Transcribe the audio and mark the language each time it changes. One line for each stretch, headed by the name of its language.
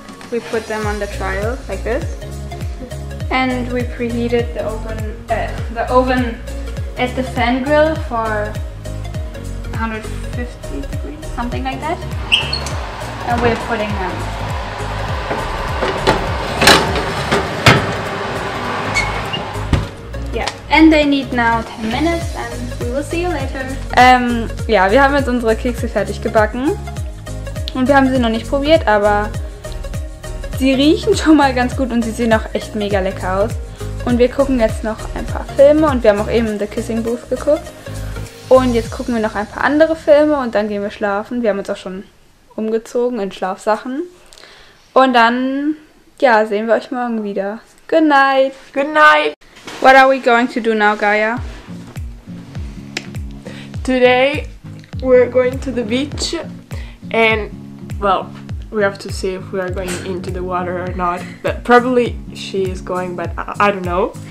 English: We put them on the trail, like this. And we preheated the oven at the fan grill for 150 degrees, something like that. And we're putting them. And they need now 10 minutes and we will see you later.
German: Ja, wir haben jetzt unsere Kekse fertig gebacken und wir haben sie noch nicht probiert, aber sie riechen schon mal ganz gut und sie sehen auch echt mega lecker aus. Und wir gucken jetzt noch ein paar Filme und wir haben auch eben The Kissing Booth geguckt. Und jetzt gucken wir noch ein paar andere Filme und dann gehen wir schlafen. Wir haben uns auch schon umgezogen in Schlafsachen. Und dann, ja, sehen wir euch morgen wieder.
English: Good night. Good night. What are we going to do now, Gaia? Today we're going to the beach and, well, we have to see if we are going into the water or not. But probably she is going, but I don't know.